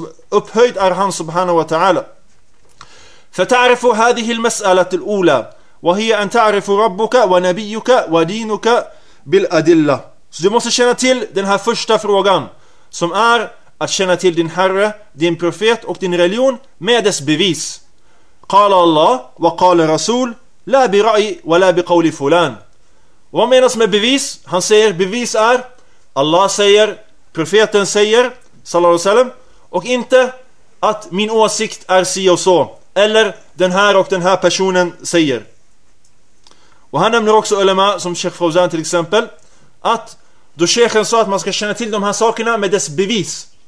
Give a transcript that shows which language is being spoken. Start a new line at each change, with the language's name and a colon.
Swedish: Upphöjd är han subhanahu wa ta'ala.
Arabic: فتعرف هذه المسألة الأولى وهي أن تعرف ربك ونبيك ودينك بالأدلة.
Swedish: Så du måste känna till den här första frågan, som är att känna till din herre, din profet och din religion med dess bevis.
Arabic: قال الله وقال رسول لا برأي ولا بقول فلان.
Swedish: Vad menas med bevis? Han säger, bevis är Allah säger, profeten säger sallallahu alaihi wasallam, och inte att min åsikt är si och så, eller den här och den här personen säger. Och han nämner också ulema som Sheikh Fawzan till exempel, att då Sheikhen sa att man ska känna till de här sakerna med dess bevis.